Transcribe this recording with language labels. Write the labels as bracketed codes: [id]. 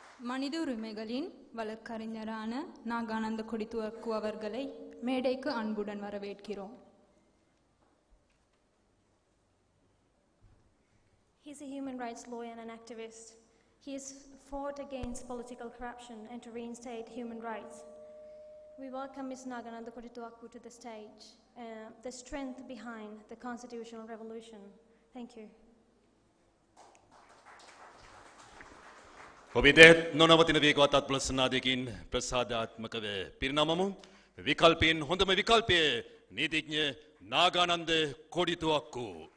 [ta] மனித உரிமைகளின் வழக்கறிஞரான நாகானந்த கொடித்துவக்கு அவர்களை மேடைக்கு அன்புடன் வரவேற்கிறோம். [en] He is a human rights lawyer and an activist. He has fought against political corruption and to reinstate human rights. We welcome Ms. Nagananda Kodituakku to the stage, the strength behind the constitutional revolution. Thank you. [si] ඔබෙදත් නොනවතින වේගවත් අත්පලසනාදයකින් ප්‍රසාදාත්මකව පිරිනමමු විකල්පයෙන් හොඳම විකල්පය නීතිඥ නාගානන්ද කොඩිතුවක්කු.